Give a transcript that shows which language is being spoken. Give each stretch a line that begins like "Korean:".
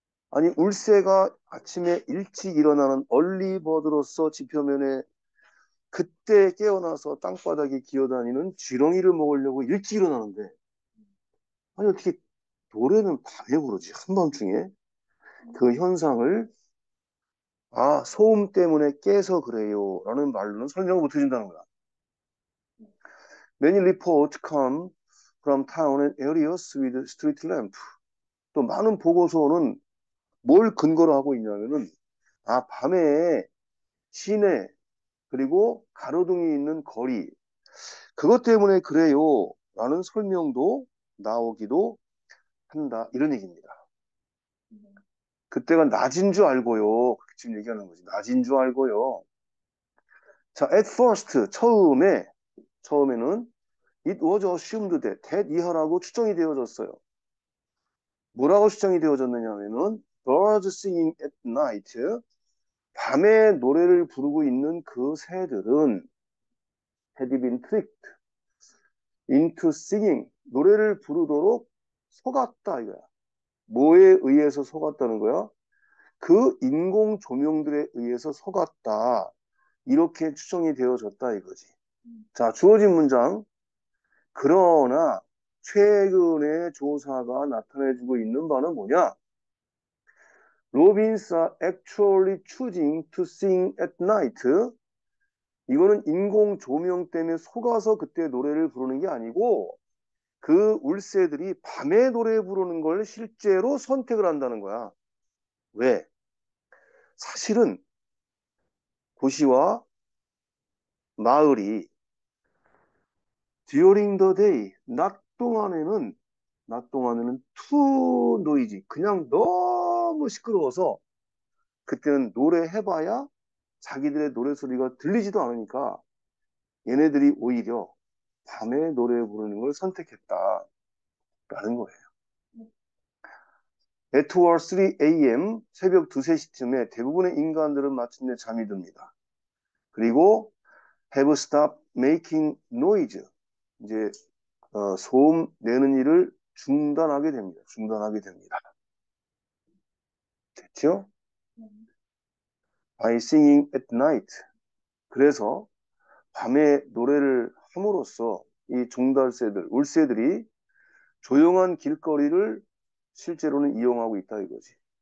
Korean: 아니, 울새가 아침에 일찍 일어나는 얼리버드로서 지표면에 그때 깨어나서 땅바닥에 기어다니는 지렁이를 먹으려고 일찍 일어나는데, 아니, 어떻게 노래는 밤에 부르지, 한밤중에? 그 현상을, 아, 소음 때문에 깨서 그래요, 라는 말로는 설명을 못 해준다는 거야.
English: Many reports come from town and areas with street lamp.
Korean: 또 많은 보고서는 뭘 근거로 하고 있냐면은, 아, 밤에 시내, 그리고 가로등이 있는 거리, 그것 때문에 그래요, 라는 설명도 나오기도 한다, 이런 얘기입니다. 그때가 낮인 줄 알고요, 지금 얘기하는 거지. 낮인 줄 알고요.
English: 자, at first,
Korean: 처음에는
English: It was assumed that
Korean: 이하라고 추정이 되어졌어요. 뭐라고 추정이 되어졌느냐면은,
English: Birds singing at night.
Korean: 밤에 노래를 부르고 있는 그 새들은
English: had been tricked into singing.
Korean: 노래를 부르도록 속았다, 이거야. 뭐에 의해서 속았다는 거야? 그 인공 조명들에 의해서 속았다. 이렇게 추정이 되어졌다 이거지. 자, 주어진 문장. 그러나 최근에 조사가 나타내주고 있는 바는 뭐냐?
English: Robins are actually choosing to sing at night.
Korean: 이거는 인공 조명 때문에 속아서 그때 노래를 부르는 게 아니고 그 울새들이 밤에 노래 부르는 걸 실제로 선택을 한다는 거야. 왜? 사실은 도시와 마을이
English: during the day,
Korean: 낮 동안에는
English: too noisy.
Korean: 그냥 너무 시끄러워서 그때는 노래해봐야 자기들의 노래소리가 들리지도 않으니까 얘네들이 오히려 밤에 노래 부르는 걸 선택했다라는 거예요.
English: At 3 AM,
Korean: 새벽 2, 3시쯤에 대부분의 인간들은 마침내 잠이 듭니다. 그리고
English: have stopped making noise.
Korean: 이제 소음 내는 일을 중단하게 됩니다. 중단하게 됩니다. 됐죠?
English: By singing at night.
Korean: 그래서 밤에 노래를 함으로써 이 종달새들, 울새들이 조용한 길거리를 실제로는 이용하고 있다 이거지.